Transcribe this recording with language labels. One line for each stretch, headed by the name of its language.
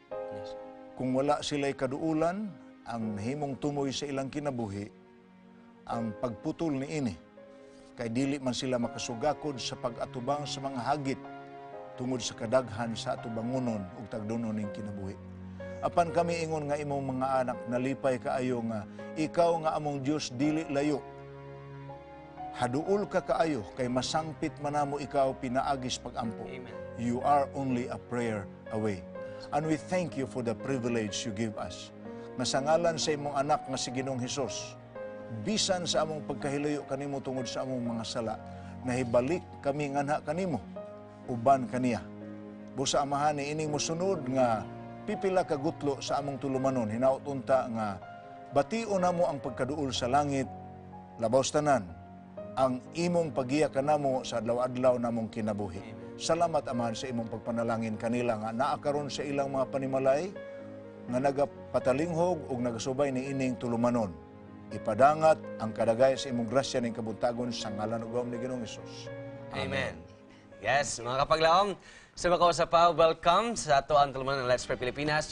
Cebuano: Yes. Kung wala sila'y kaduulan, ang himong tumoy sa ilang kinabuhi, ang pagputol ni ini, kay dili man sila makasugakod sa pag-atubang sa mga hagit tungod sa kadaghan sa atubangunon o tagdunon ng kinabuhi. Apan kami ingon nga imong mga anak, nalipay kaayo nga, ikaw nga among Diyos dili layo. Haduol ka kaayo, kay masangpit manamo ikaw pinaagis pag-ampo. Amen.
English: You are only a prayer away. And we thank you for the privilege you give us.
Cebuano: Masangalan sa imong anak nga si Ginoong Hesus, bisan sa among pagkahilayo kanimo tungod sa among mga sala, nahibalik kami nganha kanimo, uban kaniya. Busa amahani, ini musunod nga pipila ka gutlo sa among tulumanon, hinaut unta nga batio namo ang pagkaduol sa langit, labaw tanan ang imong pagiya kanamo sa adlaw-adlaw namong kinabuhi. Salamat amahan sa imong pagpanalangin kanila nga naa karon sa ilang mga panimalay nga nagapatalinghog ug nagasubay ni ining tulumanon. Ipadangat ang kadagay sa imong grasya ning kabuntagon sa ngalan ug ni Ginoong Hesus. Amen. Yes, mga kapaglaom, sa makausap, welcome sa ato ang tulumanan ng Let's Pray Pilipinas.